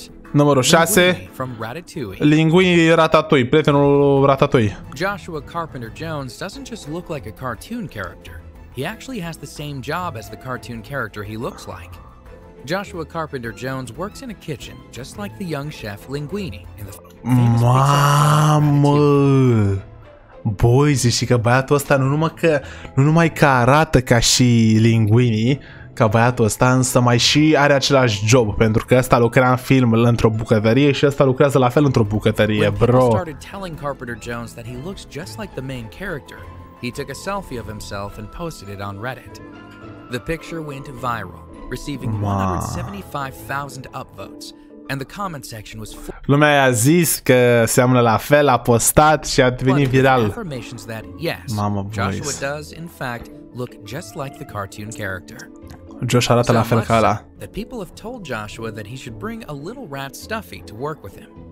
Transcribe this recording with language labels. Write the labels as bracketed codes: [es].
[ro] Numărul 6, linguinii Ratatui, prietenul Ratatui. [en] Joshua Carpenter Jones doesn't just look like a cartoon character. He actually has the same job as the cartoon character he looks like. Joshua Carpenter Jones works in a kitchen, just like the young chef Linguini in the [ro] Mamă! Boi, zici că băiatul ăsta nu numai că arată ca și Linguini, ca băiatul ăsta, însă mai și are același job, pentru că ăsta lucra în film într-o bucătărie și ăsta lucrează la fel într-o bucătărie, bro. [en] When people started telling Carpenter Jones that he looks just like the main character, he took a selfie of himself and posted it on Reddit. The picture went viral, receiving 175,000 upvotes, and the comment section was [ro] lumea a zis că seamănă la fel, a postat și a devenit viral. [en] That, yes, [ro] mamă, [en] Joshua does in fact look just like the cartoon character. [ro] Josh arată la fel ca ala. [en] That people have told Joshua that he should bring a little rat stuffy to work with him.